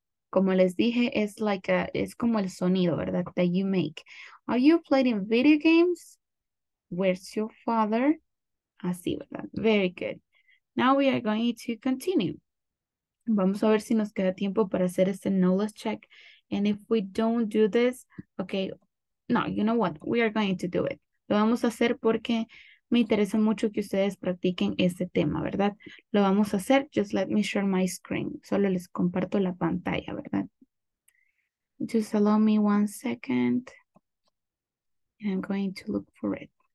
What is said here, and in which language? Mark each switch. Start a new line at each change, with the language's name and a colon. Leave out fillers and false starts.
Spanish: Como les dije, es
English: like a,
Spanish: es como el sonido, ¿verdad?
English: That you make. Are you playing video games? Where's your father?
Spanish: Así, ¿verdad?
English: Very good. Now we are going to continue.
Spanish: Vamos a ver si nos queda tiempo para hacer este knowledge check.
English: And if we don't do this, okay, no, you know what? We are going to do it.
Spanish: Lo vamos a hacer porque me interesa mucho que ustedes practiquen este tema, ¿verdad? Lo vamos a hacer.
English: Just let me share my screen.
Spanish: Solo les comparto la pantalla, ¿verdad?
English: Just allow me one second. I'm going to look for it.